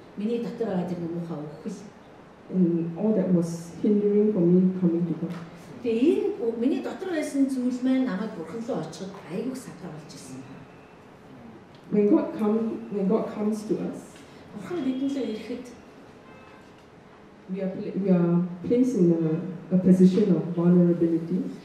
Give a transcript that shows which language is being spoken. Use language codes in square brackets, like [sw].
[mn] Миний дотор байгаа тэр муухай үхэл. [en] All that was hindering for me coming to God. [mn] Тэгээд миний дотор байсан зүйл маань намайг Бурхан руу очиход айгүйх сатар болж ирсэн. [en] When God comes to us. [mn] Бурхан бидэнтэй ирэхэд [en] we are placed in a position of vulnerability.